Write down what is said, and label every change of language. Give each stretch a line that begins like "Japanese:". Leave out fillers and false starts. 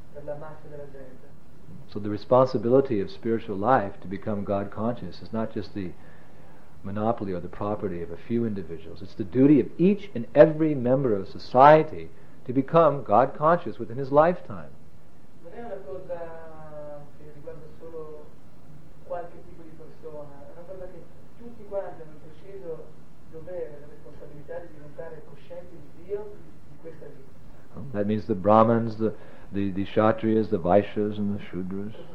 Italian: Per la massa della gente.
English: So the responsibility of spiritual life to become God conscious is not just the monopoly or the property of a few individuals. It's the duty of each and every member of society to become God conscious within his lifetime.
Italian: Non è una cosa che riguarda solo qualche tipo di persona, è una cosa che tutti quanti hanno il preciso dovere, la responsabilità di diventare coscienti di Dio di questa vita.
English: That means the Brahmins, the Kshatriyas, the Vaishyas and the Shudras.